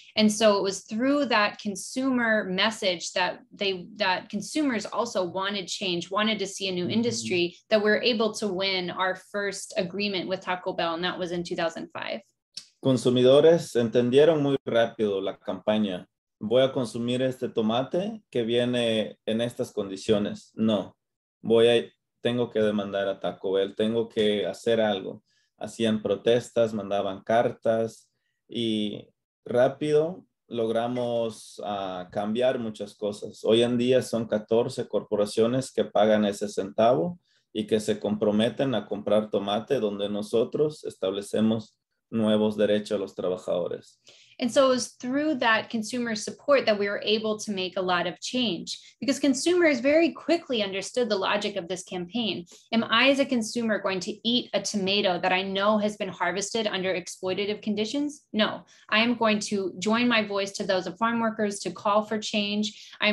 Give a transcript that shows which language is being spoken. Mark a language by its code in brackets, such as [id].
[en] And so it was through that consumer message that consumers also wanted change, wanted to see a new industry, that we're able to win our first agreement with Taco Bell, and that was in 2005. [es] Consumidores entendieron muy rápido la campaña. Voy a consumir este tomate que viene en estas condiciones. No, tengo que demandar a Taco Bell, tengo que hacer algo. Hacían protestas, mandaban cartas y rápido logramos cambiar muchas cosas. Hoy en día son 14 corporaciones que pagan ese centavo y que se comprometen a comprar tomate donde nosotros establecemos nuevos derechos a los trabajadores. [en] And so it was through that consumer support that we were able to make a lot of change, because consumers very quickly understood the logic of this campaign. Am I as a consumer going to eat a tomato that I know has been harvested under exploitative conditions? No, I am going to join my voice to those of farm workers to call for change.